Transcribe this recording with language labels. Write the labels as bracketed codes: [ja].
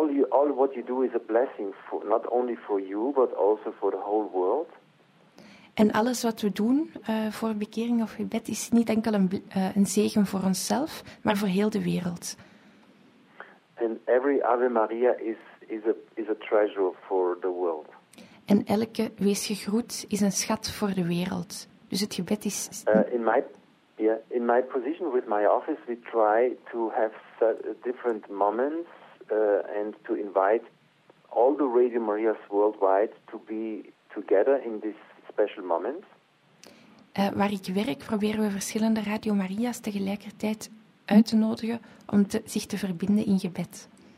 [en] All what you do is a blessing for not only for you but also for the whole world. [nl] En alles wat we doen voor bekering of gebed is niet enkel een zegen voor onszelf, maar voor heel de wereld. [en] And every Ave Maria is a treasure for the world. [nl] En elke wees gegroet is een schat voor de wereld. Dus het gebed is. [en] In my position with my office, we try to have different moments and to invite all the Radio Marias worldwide to be together in this special moment. [nl] Waar ik werk, proberen we verschillende Radio Marias tegelijkertijd uit te nodigen om zich te verbinden in gebed.